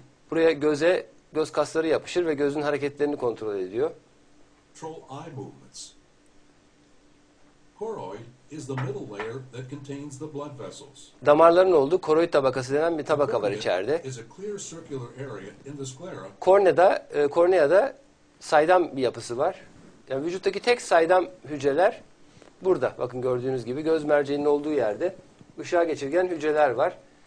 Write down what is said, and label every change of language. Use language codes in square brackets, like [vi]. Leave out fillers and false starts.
[tr] Buraya göze göz kasları yapışır ve gözün hareketlerini kontrol ediyor. [en] Control eye movements. Choroid is the middle layer that contains the blood vessels. [tr] Damarların olduğu koroid tabakası denen bir tabaka var içeride. [en] Is a clear circular area in the sclera. [tr] Korneada saydam bir yapısı var. Yani vücuttaki tek saydam hücreler burada. Bakın gördüğünüz gibi göz merceğinin olduğu yerde ışığa geçirgen hücreler var.